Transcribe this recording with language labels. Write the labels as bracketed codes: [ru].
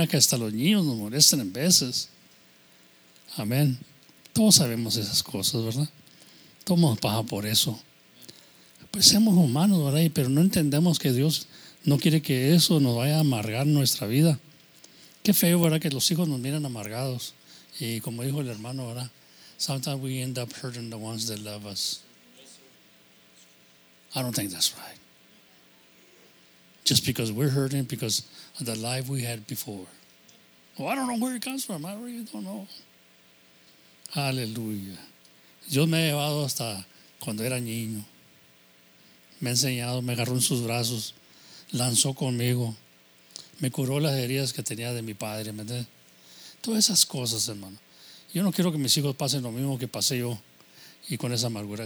[es] A que hasta los niños nos molestan en veces. Amén. Todos sabemos esas cosas, ¿verdad? Todos pasamos por eso. Pues somos humanos, ¿verdad? Pero no entendemos que Dios no quiere que eso nos vaya a amargar nuestra vida. Qué feo, ¿verdad? Que los hijos nos miran amargados. Y como dijo el hermano, ¿verdad? [en] Sometimes we end up hurting the ones that love us. I don't think that's right. Just because we're hurting because of the life we had before. Well, I don't know where it comes from. I really don't know. Aleluya. [es] Dios me ha llevado hasta cuando era niño. Me ha enseñado, me agarró en sus brazos, lanzó conmigo, me curó las heridas que tenía de mi padre, ¿me entiendes? Todas esas cosas, hermano. Yo no quiero que mis hijos pasen lo mismo que pasé yo y con esa amargura.